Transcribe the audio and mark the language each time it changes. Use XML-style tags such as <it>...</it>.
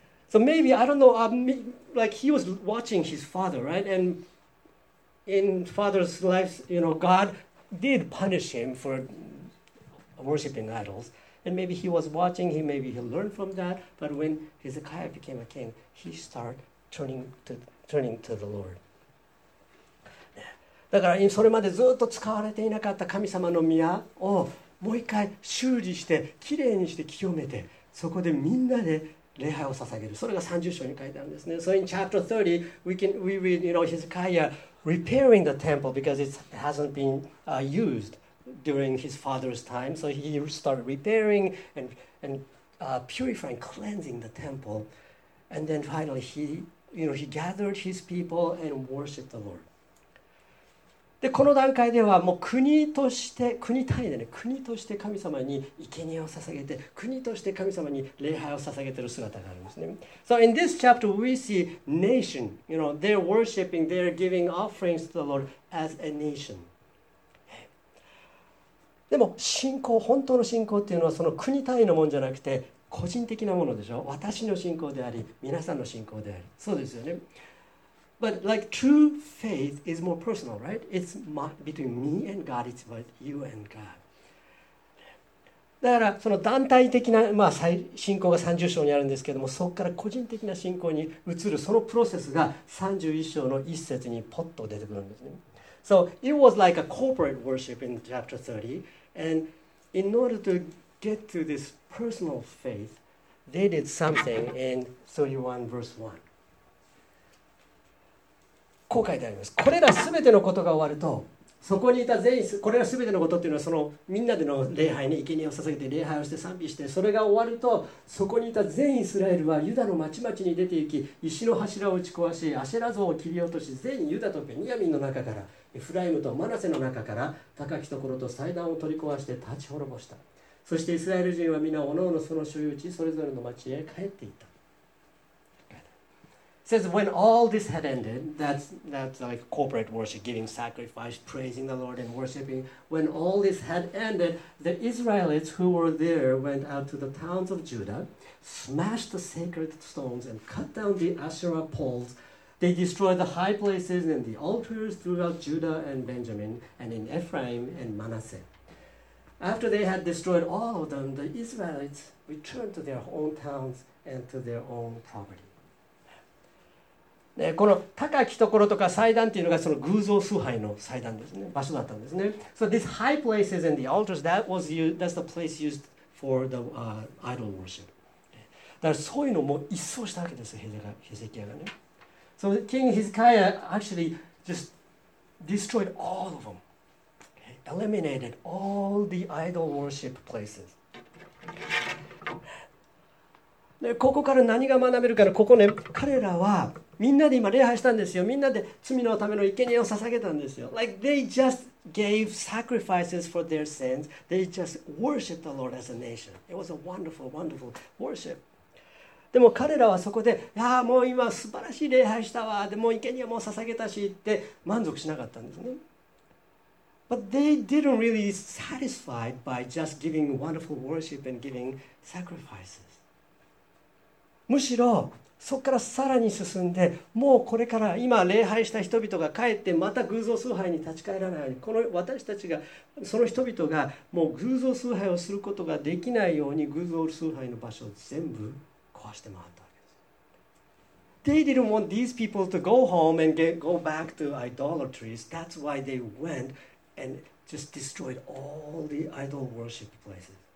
<en>So maybe, I don't know, like he was watching his father, right? And in father's life, you know, God did punish him for worshiping idols. And maybe he was watching him, maybe he learned from that. But when Hezekiah became a king, he started turning to the Lord.</en> <ja>だからそれまでずっと使われていなかった神様の宮をもう一回修理してきれいにして清めて、そこでみんなで礼拝を捧げる。それが30章に書いてあるんですね。</ja> <en>So in chapter 30, we read, you know, Hezekiah repairing the temple because it hasn't been used during his father's time. So he started repairing and purifying, cleansing the temple. And then finally he gathered his people and worshiped the Lord.</en> <ja>でこの段階ではもう国として国単位でね、国として神様に生贄を捧げて、国として神様に礼拝を捧げている姿があるんですね。</ja> <en>So in this chapter we see nation, you know, they're worshiping, they're giving offerings to the Lord as a nation.</en> <ja>でも信仰、本当の信仰っていうのはその国単位のもんじゃなくて個人的なものでしょ。私の信仰であり、皆さんの信仰であり。そうですよね。</ja> <en>But like true faith is more personal, right? It's between me and God. It's about you and God.</en> <ja>だからその団体的な、まあ、信仰が30章にあるんですけども、そこから個人的な信仰に移るそのプロセスが31章の1節にポッと出てくるんですね。</ja> <en>So it was like a corporate worship in chapter 30. And in order to get to this personal faith, they did something in 31 verse 1.</en> <ja>こう書いてあります。これらすべてのことが終わると、そこにいた全員、これらすべてのことっていうのは、そのみんなでの礼拝に生贄を捧げて礼拝をして賛美して、それが終わると、そこにいた全イスラエルはユダの町々に出て行き、石の柱を打ち壊し、アシェラ像を切り落とし、全ユダとベニヤミンの中から、エフライムとマナセの中から、高きところと祭壇を取り壊して立ち滅ぼした。そしてイスラエル人は皆おのおのその所有地、それぞれの町へ帰っていった。</ja> <en>Says when all this had ended, that's like corporate worship, giving sacrifice, praising the Lord and worshiping. When all this had ended, the Israelites who were there went out to the towns of Judah, smashed the sacred stones and cut down the Asherah poles. They destroyed the high places and the altars throughout Judah and Benjamin and in Ephraim and Manasseh. After they had destroyed all of them, the Israelites returned to their own towns and to their own property.</en> <ja>ね、この高きところとか祭壇っていうのがその偶像崇拝の祭壇ですね、場所だったんですね。</ja> <en>So these high places and the altars, that was used, that's the place used for the idol worship.</en> <ja>だからそういうのも一掃したわけですよ、ヘゼキヤがね。</ja> <en>So King Hezekiah actually just destroyed all of them. Eliminated all the idol worship places.</en> <ja>でここから何が学べるかの、ここね、彼らはみんなで今礼拝したんですよ。みんなで罪のための生贄を捧げたんですよ。</ja> <en>Like they just gave sacrifices for their sins. They just worshiped the Lord as a nation. It was a wonderful, wonderful worship.</en> <ja>でも彼らはそこで、いやもう今素晴らしい礼拝したわ。でも生贄も捧げたしって満足しなかったんですね。</ja> <en>But they didn't really satisfied by just giving wonderful worship and giving sacrifices.</en> <ja>むしろそこからさらに進んで、もうこれから今礼拝した人々が帰ってまた偶像崇拝に立ち返らないように、この私たちがその人々がもう偶像崇拝をすることができないように、偶像崇拝の場所を全部壊して回ったわけです。</ja> <en>They didn't want these people to go home and go back to idolatries. That's why they went and just destroyed all the idol worship places.</en>